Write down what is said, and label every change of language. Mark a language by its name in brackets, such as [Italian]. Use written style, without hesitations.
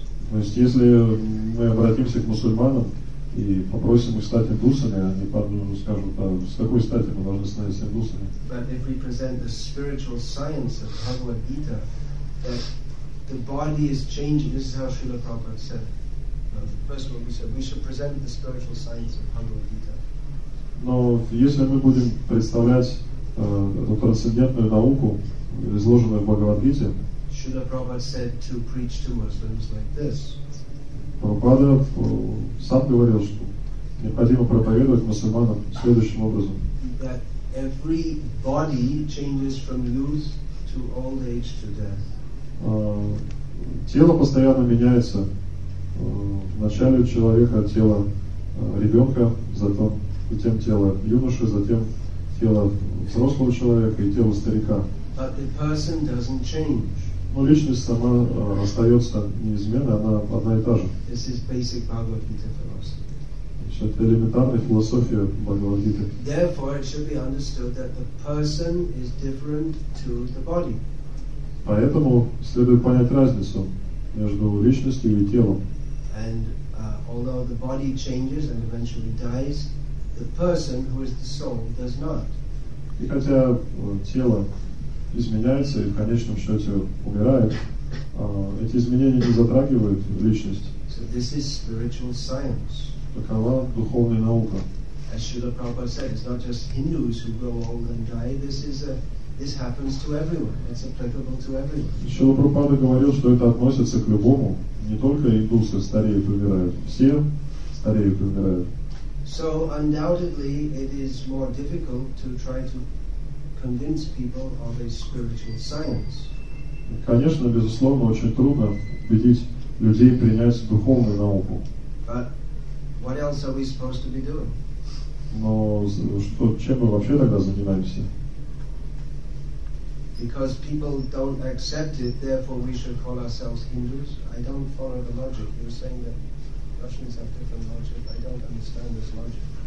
[Russian] То есть, если мы обратимся к мусульманам и попросим их стать индусами, они скажут, а с какой стати мы должны становиться индусами? [English] But if we present the spiritual science of Bhagavad Gita, that the body is changing, this is how Srila Prabhupada said. First of all, we should present the spiritual science of Bhagavad Gita. [Russian] Но если мы будем представлять эту трансцендентную науку, изложенную в Бхагавад-гите. [English] Srila Prabhupada said to preach to us things like this. [Russian] Прабхупада сам говорил, что необходимо проповедовать мусульманам следующим образом. [English] That every body changes from youth to old age to death. [Russian] Тело постоянно меняется. Вначале у человека тело ребенка, затем тело юноши, затем тело взрослого человека и тело старика. [English] But the person doesn't change. [Russian] Но личность сама остается неизменной, она одна и та же. [English] This is basic Bhagavad-gita philosophy. [Russian] Значит, это элементарная философия Бхагавад-гиты. [English] Therefore, it should be understood that the person is different to the body. [Russian] Поэтому следует понять разницу между личностью и телом. [English] And although the body changes and eventually dies, the person who is the soul does not. [Russian] И хотя тело изменяется и в конечном счете умирает, эти изменения не затрагивают личность. [English] So this is spiritual science. [Russian] Такова духовная наука. [English] As Srila Prabhupada said, it's not just Hindus who grow old and die. This happens to everyone. It's applicable to everyone. [Russian] Шрила Прабхупада говорил, что это относится к любому. Не только индусы стареют и умирают. Все стареют и умирают. [English] So undoubtedly it is more difficult to try to convince people of a spiritual science. [Russian] Конечно, безусловно, очень трудно убедить людей принять духовную науку. [English] But what else are we supposed to be doing? [Russian] Но что, чем мы вообще тогда занимаемся? [English] Because people don't accept it, therefore we should call ourselves Hindus. I don't follow the logic. You're saying that Russians have different logic. I don't understand this logic.